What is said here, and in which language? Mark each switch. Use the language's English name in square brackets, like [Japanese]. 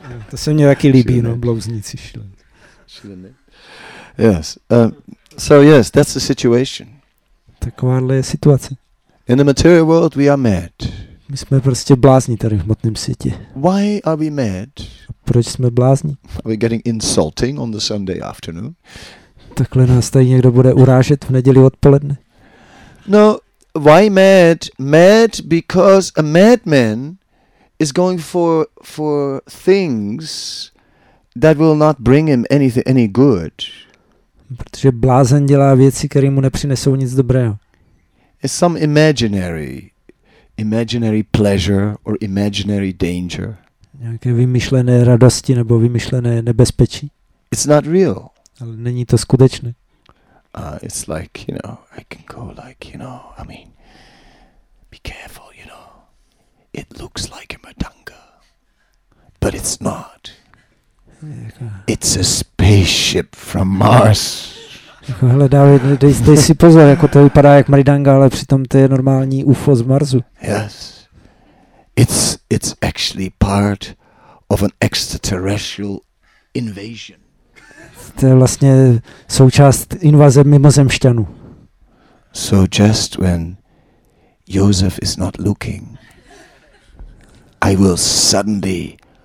[Czech] To se mně taky líbí, no, blouzniční šílenec. [English] Yes. So yes, that's the situation. [Czech] Takováhle je situace. [English] In the material world we are mad. [Czech] My jsme prostě blázni tady v hmotném světě. [English] Why are we mad? [Czech] Proč jsme blázni? [English] Are we getting insulting on the Sunday afternoon? [Czech] Takhle nás tady někdo bude urážet v neděli odpoledne? [English] No, why mad? Mad because a madman is going for things that will not bring him anything, any good. [Czech] Protože blázen dělá věci, které mu nepřinesou nic dobrého. [English] It's some imaginary pleasure or imaginary danger. [Czech] Nějaké vymyšlené radosti nebo vymyšlené nebezpečí. [English] It's not real. [Czech] Ale není to skutečné. [English] It's like, you know, I can go like, you know, I mean, be careful, you know. It looks like a mudanga, but it's not. It's a spaceship from Mars. [Czech] Hele, dej si pozor, jako to vypadá jak mridanga, ale přitom to je normální UFO z Marsu. [English] Yes. It's actually part of an extraterrestrial invasion. [Czech] To je vlastně součást invaze mimozemšťanů. [English] So just when Joseph is not looking, I will suddenly